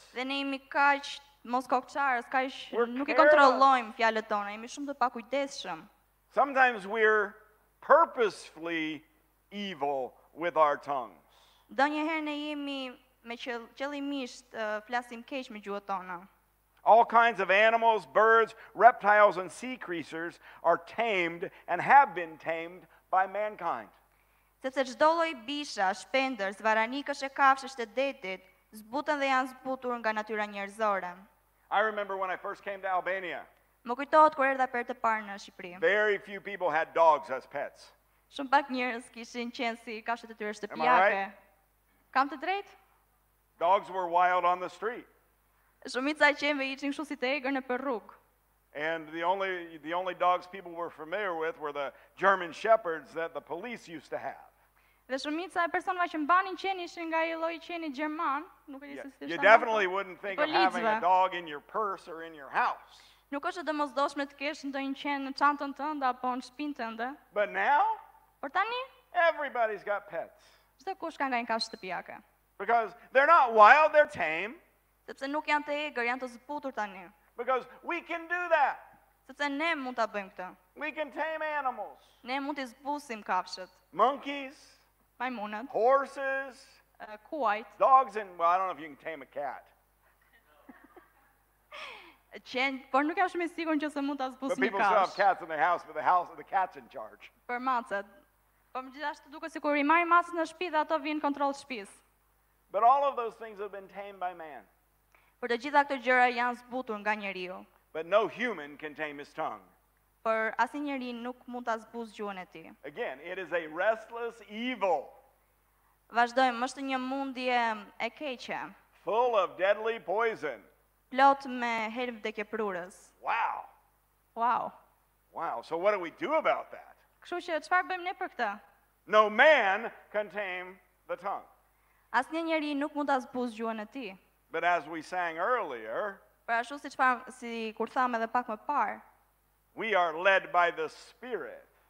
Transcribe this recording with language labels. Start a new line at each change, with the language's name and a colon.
Albanian: Dhe ne jemi kaq mos kokçarës, kaq nuk e kontrollojmë fjalët tona, jemi shumë të pakujdesshëm.
English: Sometimes we're purposefully evil with our tongues.
Albanian: Donjëherë ne jemi me qëllimisht flasim keq me gjuhën tona.
English: All kinds of animals, birds, reptiles, and sea creatures are tamed and have been tamed by mankind.
Albanian: Sepse çdo lloj bisha, shpendërs, varanikësh e kafshësh të detit zbutën dhe janë zbutur nga natyra njerëzore.
English: I remember when I first came to Albania.
Albanian: Më kujtohet kur erdha për të parë në Shqipëri.
English: Very few people had dogs as pets.
Albanian: Shumë pak njerëz kishin qenë si kafshët e tyre shtëpiake. Kam të drejtë?
English: Dogs were wild on the street.
Albanian: Shumica e qenve ishin kështu si të egër në perruk.
English: And the only dogs people were familiar with were the German shepherds that the police used to have.
Albanian: Dhe shumica e personave që mbanin qen ishin nga ai lloji qeni gjerman, nuk e di se si ishte.
English: You definitely wouldn't think of having a dog in your purse or in your house.
Albanian: Nuk është domosdoshme të kesh ndonjë qen në çantën tënde apo në shtëpinë tënde.
English: But now?
Albanian: Por tani?
English: Everybody's got pets.
Albanian: Çdo kush ka nga një kafshë shtëpiake.
English: Because they're not wild, they're tame.
Albanian: Sepse nuk janë të egër, janë të zbutur tani.
English: Because we can do that.
Albanian: Sepse ne mund ta bëjmë këtë.
English: We can tame animals.
Albanian: Ne mund të zbusim kafshët.
English: Monkeys.
Albanian: Majmunat.
English: Horses.
Albanian: Kuajt.
English: Dogs and well, I don't know if you can tame a cat.
Albanian: Qen, por nuk jam shumë I sigurt nëse mund ta zbusim kafshët.
English: But people still have cats in their house, but the cat's in charge.
Albanian: Për macet. Po më gjithashtu duket sikur I marrin macet në shtëpi dhe ato vinë kontroll shtëpisë.
English: But all of those things have been tamed by man.
Albanian: Por të gjitha këto gjëra janë zbutur nga njeriu.
English: But no human can tame his tongue.
Albanian: Por asnjëri nuk mund ta zbuz gjuhën e tij.
English: Again, it is a restless evil.
Albanian: Vazdojmë, është një mundje e keqe.
English: Full of deadly poison.
Albanian: Plot me helm vdekjeprurës.
English: Wow. Wow. Wow. So what do we do about that?
Albanian: Kështu që çfarë bëjmë ne për këtë?
English: No man can tame the tongue.
Albanian: Asnjëri nuk mund ta zbuz gjuhën e tij.
English: But as we sang earlier, we are led by the Spirit.